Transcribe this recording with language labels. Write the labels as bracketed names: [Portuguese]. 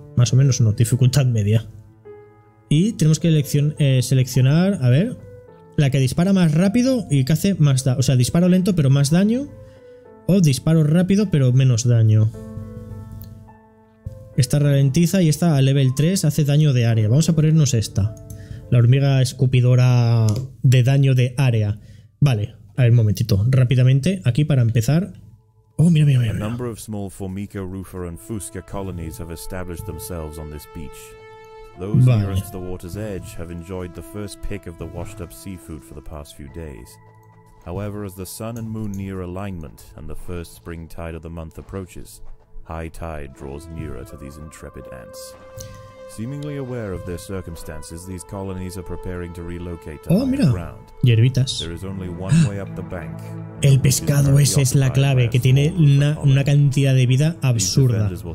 [Spanish] Más o menos no, dificultad media. Y tenemos que seleccionar, a ver, la que dispara más rápido y que hace más daño. O sea, disparo lento pero más daño, o disparo rápido pero menos daño. Esta ralentiza y esta a level 3 hace daño de área. Vamos a ponernos esta, la hormiga escupidora de daño de área. Vale, a ver, un momentito, rápidamente, aquí para empezar. Oh, mira, mira, mira. [English] A number of small Formica, Rufa and Fusca colonies have established themselves on this beach. Those nearest the water's edge have enjoyed the first pick of the washed up seafood for the past few days. However, as the sun and moon near alignment and the first spring tide of the month approaches, high tide draws nearer to these intrepid ants. Seemingly aware of their circumstances, these colonies are preparing to relocate to higher ground. [Spanish] Hierbitas. [English] There is only one way up the bank. [Spanish] El pescado, ese es la clave, que tiene una cantidad de vida absurda.